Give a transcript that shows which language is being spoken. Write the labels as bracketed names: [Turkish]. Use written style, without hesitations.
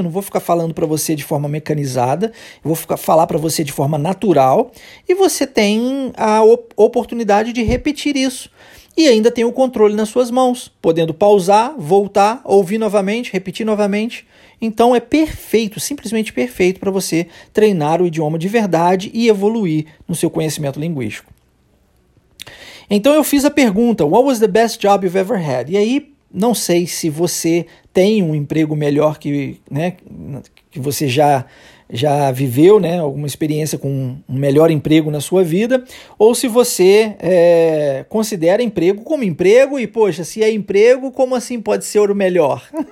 [Portuguese] Eu não vou ficar falando para você de forma mecanizada, eu vou falar para você de forma natural, e você tem a oportunidade de repetir isso. E ainda tem o controle nas suas mãos, podendo pausar, voltar, ouvir novamente, repetir novamente. Então é perfeito, simplesmente perfeito para você treinar o idioma de verdade e evoluir no seu conhecimento linguístico. Então eu fiz a pergunta, [English] what was the best job you've ever had? [Portuguese] E aí, não sei se você tem um emprego melhor que, né, que você já viveu, né, alguma experiência com um melhor emprego na sua vida, ou se você considera emprego como emprego, e poxa, se é emprego, como assim pode ser o melhor?